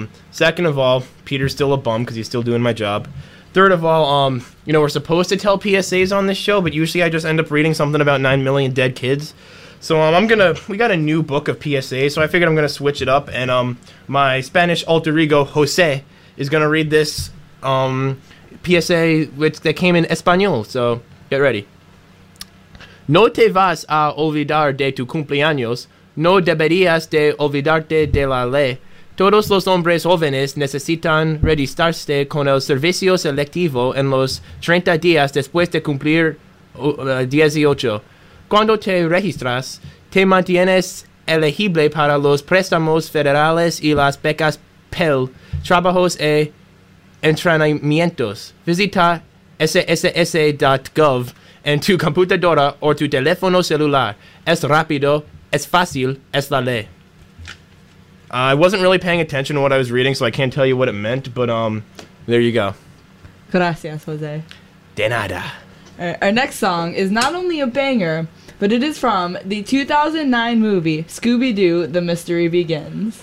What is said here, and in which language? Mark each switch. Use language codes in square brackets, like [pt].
[en] Second of all, Peter's still a bum because he's still doing my job. Third of all, you know, we're supposed to tell PSAs on this show, but usually I just end up reading something about 9 million dead kids. So we got a new book of PSAs, so I figured I'm going to switch it up. And my Spanish alter ego, Jose, is going to read this PSA that came in Espanol. So get ready. [es] No te vas a olvidar de tu cumpleaños. No deberías de olvidarte de la ley. Todos los hombres jóvenes necesitan registrarse con el servicio selectivo en los 30 días después de cumplir 18. Cuando te registras, te mantienes elegible para los préstamos federales y las becas Pell, trabajos e entrenamientos. Visita sss.gov en tu computadora o tu teléfono celular. Es rápido, es fácil, es la ley. [en] I wasn't really paying attention to what I was reading, so I can't tell you what it meant, but there you go. [es] Gracias, Jose. De nada. [en] Our next song is not only a banger, but it is from the 2009 movie Scooby-Doo, The Mystery Begins.